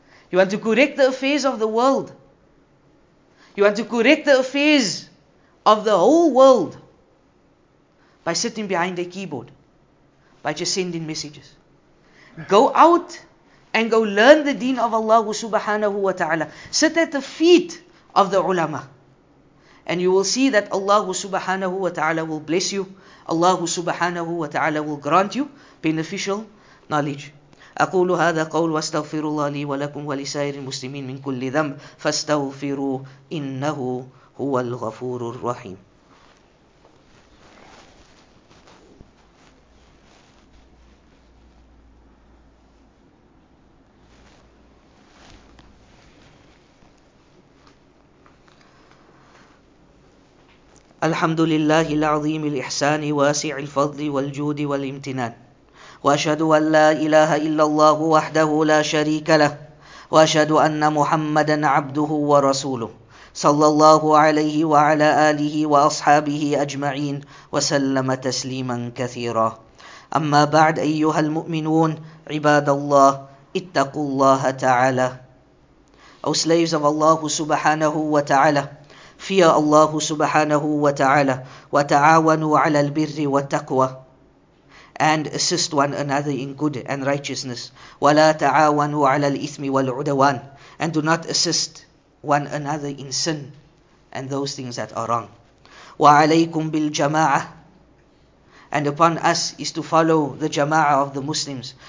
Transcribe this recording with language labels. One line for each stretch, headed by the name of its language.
English: You want to correct the affairs of the world. You want to correct the affairs of the whole world by sitting behind a keyboard, by just sending messages. Go out and go learn the deen of Allah subhanahu wa ta'ala. Sit at the feet of the ulama. And you will see that Allah subhanahu wa ta'ala will bless you. Allah subhanahu wa ta'ala will grant you beneficial knowledge.
Arabic: أقول هذا قول واستغفر الله لي ولكم ولسائر المسلمين من كل ذنب فاستغفروه إنه هو الغفور الرحيم. الحمد لله العظيم الإحسان واسع الفضل والجود والامتنان وأشهد أن لا إله إلا الله وحده لا شريك له وأشهد أن محمدا عبده ورسوله صلى الله عليه وعلى آله وأصحابه أجمعين وسلم تسليما كثيرا أما بعد أيها المؤمنون عباد الله اتقوا الله تعالى
English: O slaves of Allah
Arabic: سبحانه وتعالى
English: Fear Allah
Arabic: سبحانه وتعالى وتعاونوا على البر والتقوى
English: and assist one another in good and righteousness.
Arabic: وَلَا تَعَاوَنُوا عَلَى الْإِثْمِ وَالْعُدَوَانِ
English: And do not assist one another in sin and those things that are wrong.
Arabic: وَعَلَيْكُمْ بِالْجَمَاعَةِ
English: And upon us is to follow the jama'ah of the Muslims.